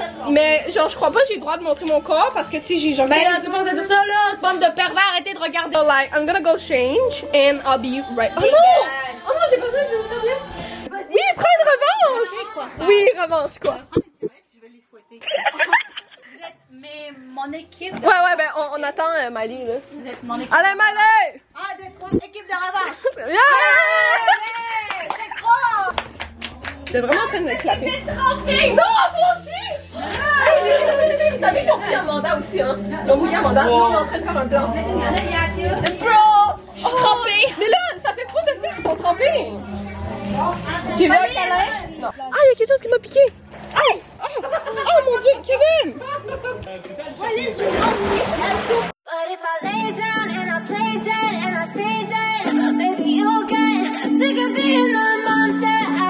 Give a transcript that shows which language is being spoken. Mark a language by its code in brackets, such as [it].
[fr] Mais genre je crois pas j'ai le droit de montrer mon corps parce que tu sais j'ai genre mais là tu penses tout ça là, bande de pervers, arrêtez de regarder. [en] So, like I'm gonna go change and I'll be right. [fr] Oh non, j'ai besoin d'une serviette. Oui, prends une revanche. Oui, revanche quoi. Je vais les fouetter. Vous êtes mon équipe. Ouais ben on attend Mali là. Vous êtes mon équipe. Allez Mali. 1, 2, 3, équipe de revanche. Yeah, c'est gros. T'es vraiment en train de me clapper. Trop non, toi aussi. Vous savez qu'ils ont pris Amanda aussi, hein? Ils ont mouillé Amanda. Wow. On est en train de faire un plan. Bro, je suis trempée. Mais là, ça fait trop de filles qui sont trempées. Tu veux un câlin? Ah, il y a quelque chose qui m'a piqué. Aïe! Oh mon Dieu, Kevin! [en] But if I lay down and I play dead and I stay dead, maybe you'll get sick of being the monster.